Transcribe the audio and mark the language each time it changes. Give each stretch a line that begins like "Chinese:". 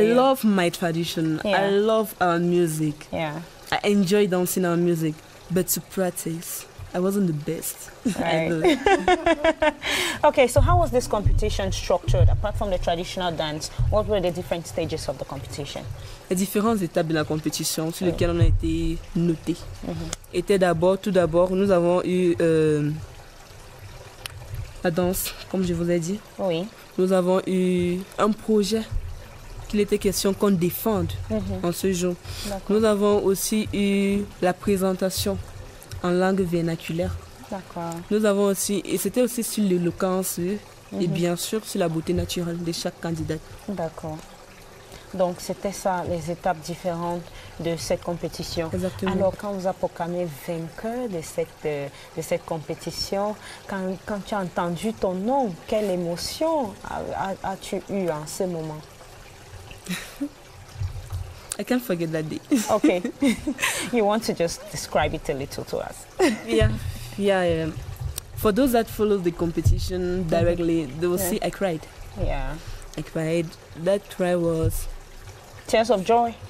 English: you. I love my tradition. Yeah. I love our music. Yeah. I enjoy dancing our music, but to practice, I wasn't the best. Right. Okay, so how was this competition structured? Apart from the traditional dance, what were the different stages of the competition?
French: Les différentes étapes de la compétition sur lesquelles on a été noté étaient d'abord, tout d'abord, nous avons eu la danse, comme je vous ai dit. Oui. Nous avons eu un projet qu'il était question qu'on défende en ce jour. D'accord. Nous avons aussi eu la présentation en langue vernaculaire. D'accord. Nous avons aussi, et c'était aussi sur l'éloquence et bien sûr sur la beauté naturelle de chaque candidate. D'accord. Donc c'était ça, les étapes différentes de cette compétition. Exactement. Alors quand vous a proclamé vainqueur de cette compétition, quand tu as entendu ton nom, quelle émotion as-tu eu en ce moment?
English: I can't forget that day. Okay. You want to just describe it a little to us? Yeah. For those that follow the competition directly, they will see I cried. Yeah. I cried. That cry was... tears of joy.